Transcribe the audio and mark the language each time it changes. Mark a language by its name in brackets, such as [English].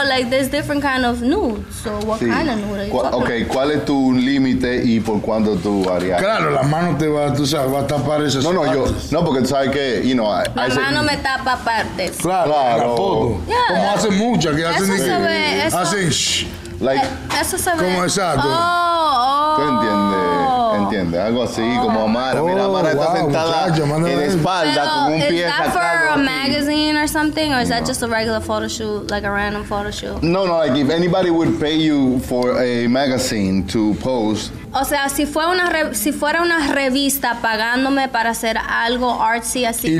[English] there's different kind of nudes, so what kind of nude are you talking about? [Spanish] ¿Cuál es tu límite y por cuándo tú harías? Claro, la mano te va, tú sabes, va a tapar esas partes. Porque tú sabes que, la mano me tapa partes. Claro. Como hacen muchas, que hacen... Eso se ve, eso... Hacen shh. Eso se ve. Como exacto. Oh. ¿Tú entiendes? ¿Entiendes? Algo así, como Amara. Mira, Amara está sentada en espalda con un pie atrás. [English] ¿Es that for a magazine or something? Or is that just a regular photo shoot, like a random photo shoot? No, like if anybody would pay you for a magazine to post. [Spanish] O sea, si fuera una revista pagándome para hacer algo artsy así, tal vez.